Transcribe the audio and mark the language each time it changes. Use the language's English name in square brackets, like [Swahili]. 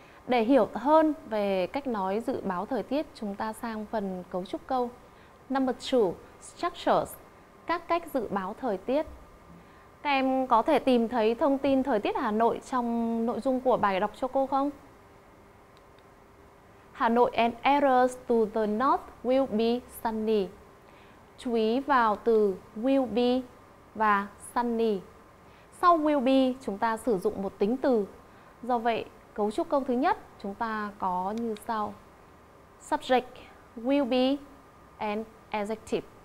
[Vietnamese] Để hiểu hơn về cách nói dự báo thời tiết, chúng ta sang phần cấu trúc câu. [English] Number 2. Structures. [Vietnamese] Các cách dự báo thời tiết. Các em có thể tìm thấy thông tin thời tiết Hà Nội trong nội dung của bài đọc cho cô không? [English] Hà Nội and areas to the north will be sunny. [Vietnamese] Chú ý vào từ will be và sunny. Sau will be chúng ta sử dụng một tính từ. Do vậy cấu trúc câu thứ nhất chúng ta có như sau. [English] Subject will be and adjective.